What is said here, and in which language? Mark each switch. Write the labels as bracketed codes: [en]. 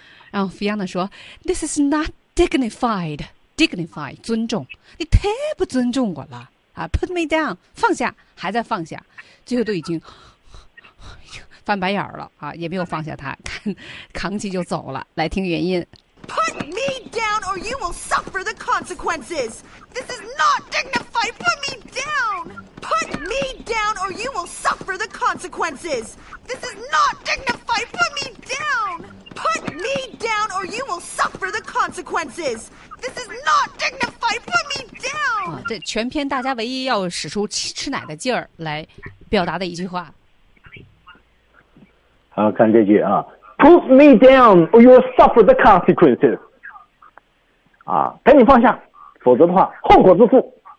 [zh] 然后 Fiona 说 ， [en] This is not dignified. Dignified， [zh] 尊重，你太不尊重我了啊。 [en] Put me down， [zh] 放下，还在放下，最后都已经。翻白眼了啊，也没有放下他，看扛起就走了。来听原因。 [en] Put me down, or you will suffer the consequences. This is not dignified. Put me down. Put me down, or you will suffer the consequences. This is not dignified. Put me down. Put me down, or you will suffer the consequences. This is not dignified. Put me down. [zh] 啊，这全篇大家唯一要使出吃奶的劲儿来表达的一句话。好，看这句啊 [en] ，Put me down, or you will suffer the consequences。 [zh] 啊，赶紧放下，否则的话，后果自负。